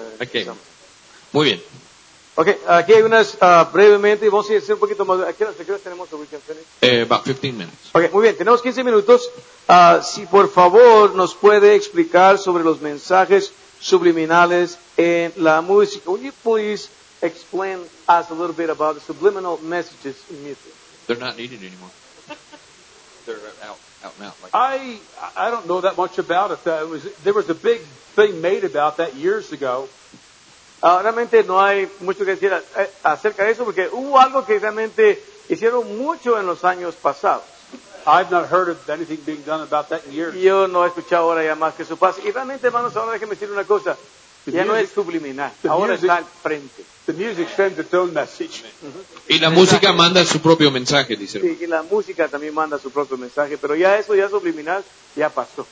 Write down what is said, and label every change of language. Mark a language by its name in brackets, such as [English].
[Spanish] Okay. Muy bien. Okay, aquí hay unas brevemente, y vamos a decir un poquito más. ¿A qué hora tenemos? [English] About 15 minutes. [Spanish] Okay, muy bien, tenemos 15 minutos. Si por favor nos puede explicar sobre los mensajes subliminales en la música. [English] Would you please explain us a little bit about the subliminal messages in music? They're not needed anymore. They're out now. Like I don't know that much about it. There was a big thing made about that years ago. [Spanish] Realmente no hay mucho que decir acerca de eso porque hubo algo que realmente hicieron mucho en los años pasados. [English] I've not heard of anything being done about that in years. [Spanish] Yo no he escuchado ahora ya más que eso pasa. Y realmente, hermanos, ahora déjenme decir una cosa. Ya no es subliminal. Ahora está al frente. [English] The music sends its own message. [Spanish] Y la música manda su propio mensaje, dice. Sí, y la música también manda su propio mensaje. Pero ya eso, ya subliminal, ya pasó.